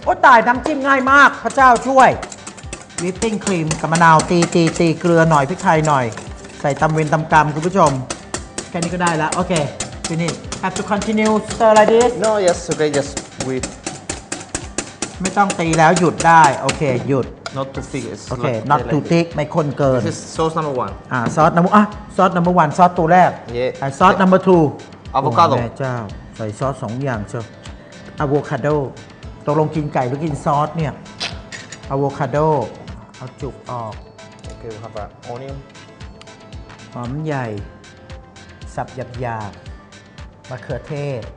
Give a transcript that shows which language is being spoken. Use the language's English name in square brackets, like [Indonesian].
[Thai] โอ้ตายน้ำจิ้มง่ายมากพระเจ้าช่วย Whipping cream กับมะนาวตีเกลือหน่อยพริกไทยหน่อยใส่ตำเวนตำกรรมคุณผู้ชมแค่นี้ก็ได้แล้วโอเค [English] Finish Have to continue stir like this No yes okay just whip [Thai] ไม่ต้องตีแล้วหยุดได้โอเคหยุด [English] Not too thick it's okay not too thick [Thai] ไม่ข้นเกิน [English] This is sauce number one [Thai] ซอสน้ำซอสตัวแรก [English] Yeah ซอส number two Avocado [Thai] แม่เจ้าใส่ซอส2อย่างเชียวอะโวคาโดตกลงกินไก่หรือกินซอสเนี่ยอะโวคาโดเอาจุกออก โอเคครับโอเนียม หอมใหญ่สับหยาบๆมะเขือเทศ